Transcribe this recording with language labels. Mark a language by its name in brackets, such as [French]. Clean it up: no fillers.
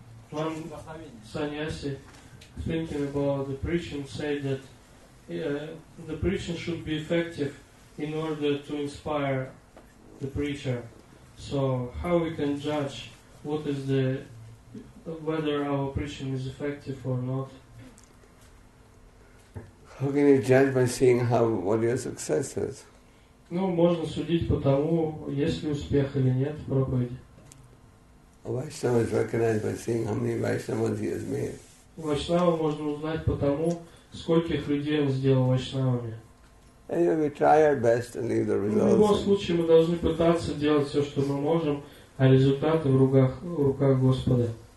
[English] One sannyasi thinking about the preaching said that the preaching should be effective in order to inspire the preacher. So how we can judge what is the whether our preaching is effective or not? How can you judge by seeing how what your success is? [Russian] Ну, можно судить по тому, есть ли успех или нет в проповеди. [English] Вайшнава is recognized by seeing how many Vaishnavas he has made. [Russian] Вайшнава можно узнать по тому, скольких людей он сделал Вайшнавами. [English] Anyway, we try our best and leave the results. [Russian] В любом случае, мы должны пытаться делать все, что мы можем, а результаты в руках, Господа.